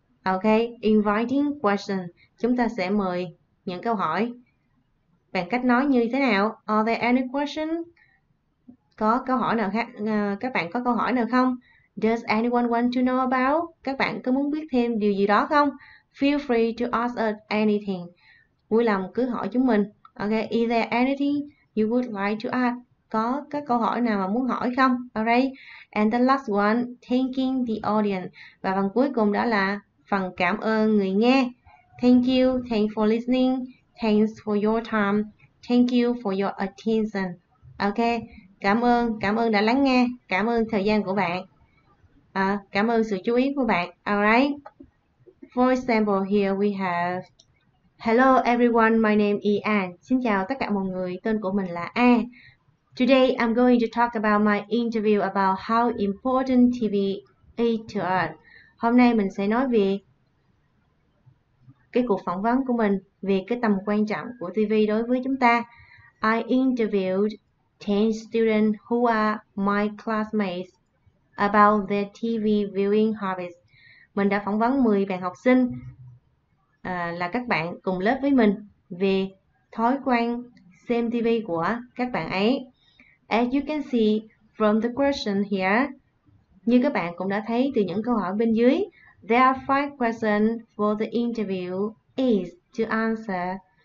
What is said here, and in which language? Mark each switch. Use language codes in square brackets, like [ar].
[en] Ok, inviting question, [vi] chúng ta sẽ mời những câu hỏi bằng cách nói như thế nào? [en] Are there any questions? [vi] Có câu hỏi nào khác? Các bạn có câu hỏi nào không? [en] Does anyone want to know about? [vi] Các bạn có muốn biết thêm điều gì đó không? [en] Feel free to ask us anything. [vi] Vui lòng cứ hỏi chúng mình. [en] Ok, is there anything you would like to ask? [vi] Có các câu hỏi nào mà muốn hỏi không? [en] Alright. And the last one, thanking the audience. [vi] Và phần cuối cùng đó là phần cảm ơn người nghe. [en] Thank you, thanks for listening. Thanks for your time. Thank you for your attention. Ok, [vi] cảm ơn đã lắng nghe. Cảm ơn thời gian của bạn. Cảm ơn sự chú ý của bạn. [en] Alright. For example, here we have. Hello everyone, my name is Anne. [vi] Xin chào tất cả mọi người, tên của mình là A. [en] Today, I'm going to talk about my interview about how important TV is to us. [vi] Hôm nay mình sẽ nói về cái cuộc phỏng vấn của mình, về cái tầm quan trọng của TV đối với chúng ta. [en] I interviewed 10 students who are my classmates about their TV viewing habits. [vi] Mình đã phỏng vấn 10 bạn học sinh là các bạn cùng lớp với mình về thói quen xem TV của các bạn ấy. [en] As you can see from the question here, [vi] như các bạn cũng đã thấy từ những câu hỏi bên dưới, [en] there are 5 questions for the interview is to answer.